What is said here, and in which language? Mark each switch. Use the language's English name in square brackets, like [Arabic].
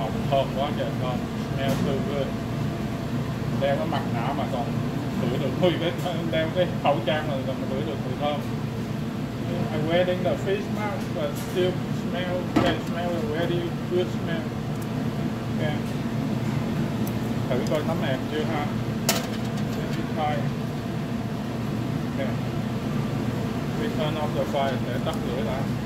[Vietnamese] Thơm quá trời thơm, đeo từ cái đeo cái mặt nạ mà còn ngửi được mùi cái đeo cái khẩu trang mà còn ngửi được mùi thơm. [English] I wearing the face mask but still smell, can smell a very good smell. [Vietnamese] Ok, thử coi thấm này chưa ha. [English] Let's try. Ok, we turn off the fire [Vietnamese] để tắt lửa đã.